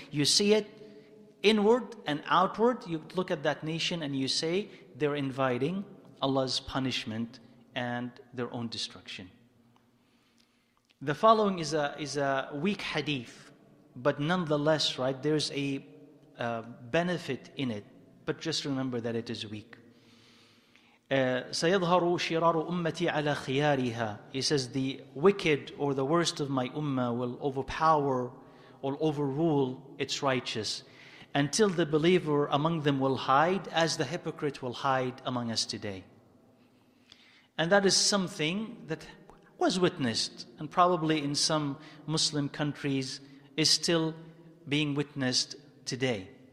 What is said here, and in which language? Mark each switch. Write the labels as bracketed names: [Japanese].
[English] You see it inward and outward. You look at that nation and you say they're inviting Allah's punishment and their own destruction. The following is a weak hadith, but nonetheless, right, there's a benefit in it, but just remember that it is weak. [Arabic] سَيَظْهَرُ شِرَارُ أُمَّتِي عَلَى خِيَارِهَا. [English] He says, the wicked or the worst of my ummah will overpower or overrule its righteous, until the believer among them will hide, as the hypocrite will hide among us today. And that is something that was witnessed, and probably in some Muslim countries is still being witnessed today.